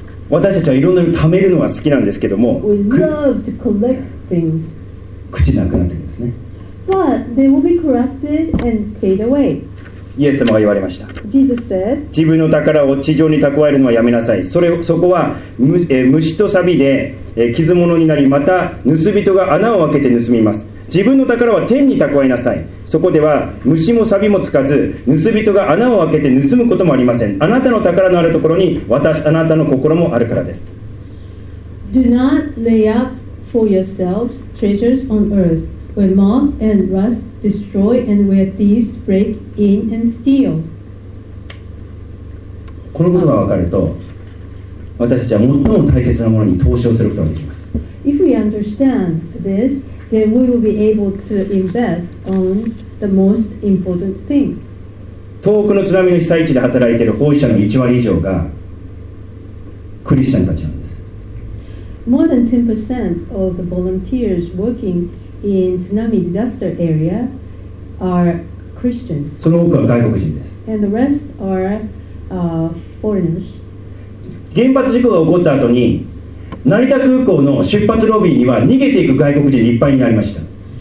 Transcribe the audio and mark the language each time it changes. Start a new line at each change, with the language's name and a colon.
Japanese: 私たちはいろんなの貯めるのが好きなんですけども、
English: We love to collect things.
Japanese: 朽ちなくなってるんですね。
English: But they will be corrupted and fade away.
Japanese: イエス様が言われました。
English: Jesus said,
Japanese: 自分の宝を地上に蓄えるのはやめなさい。そこは虫と錆で傷物になり、また盗人が穴を開けて盗みます。自分の宝は天に蓄えなさい。そこでは虫も錆もつかず、盗人が穴を開けて盗むこともありません。あなたの宝のあるところに、私あなたの心もあるからです。
English: Do not lay up for yourselves treasures on earth, where moth and rustDestroy and where thieves break in and steal.
Japanese: このことが分かると、私たちは最も大切なものに投資をすることができます。
English: If we understand this, then we will be able to invest on the most important thing.
Japanese: 東北の津波の被災地で働いている奉仕者の1割以上がクリスチャンたちなんです。
English: More than 10% of the volunteers workingIn tsunami disaster area are Christians.
Japanese: その多くは外国人です。
English: And the rest are, foreigners.
Japanese: 原発事故が起こった後に、成田空港の出発ロビーには逃げていく外国人でいっぱいになりました。